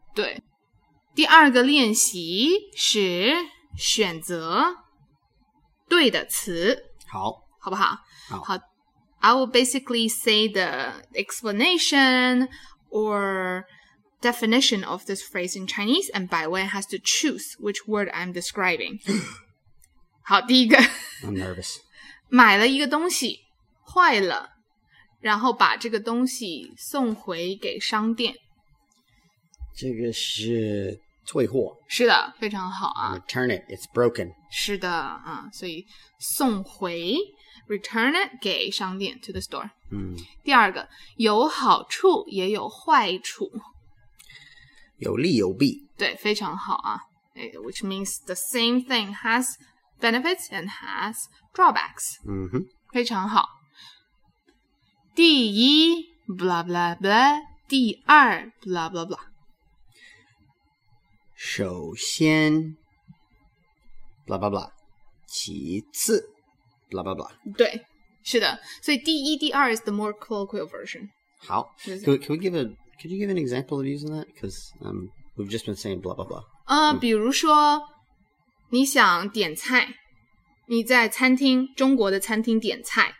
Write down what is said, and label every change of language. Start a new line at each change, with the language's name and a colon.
Chinese: 对,第二个练习是选择对的词。好。好不好?好。
English: I will basically say the explanation or definition of this phrase in Chinese, and Bai Wen has to choose which word I'm describing.
Chinese: 好,第一个.
English: I'm nervous.
Chinese: 买了一个东西,坏了, 然后把这个东西送回给商店. 这个是...退货是的,非常好啊
English: Return it, it's broken
Chinese: 是的 所以送回
English: Return it
Chinese: 给商店
English: To the store
Chinese: 第二个 有好处也有坏处有利有弊对,非常好啊
English: Which means the same thing has benefits and has drawbacks
Chinese: 非常好 第一 blah blah
English: blah 第二 blah blah blah
Chinese: 首先, blah blah blah, 其次, blah blah blah. 对,是的,所以第一,第二
English: is the more colloquial version. 好,could you give an example of using that? Because we've just been saying blah blah blah.
Chinese: 比如说,你想点菜, 你在餐厅,中国的餐厅点菜.